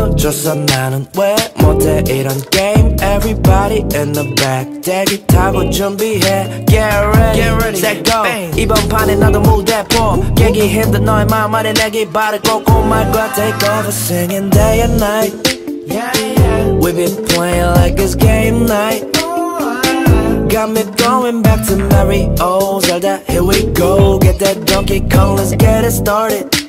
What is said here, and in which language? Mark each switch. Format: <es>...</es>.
<ko>So 나는 왜 못해 이런 게임.</ko> <en>Everybody in the back</en> <ko>대기 타고 준비해.</ko> <en>Get ready set go.</en> <ko>Bang. 이번 판에 나도 무대포. 깨기 힘든 너의 마음 안에 내게 발을 꽂고 말 거야.</ko> <en>Take over singing day and night. Yeah, yeah. We've been playing like it's game night. Got me going back to Mario, Zelda, here we go. Get that Donkey Kong, let's get it started.</en>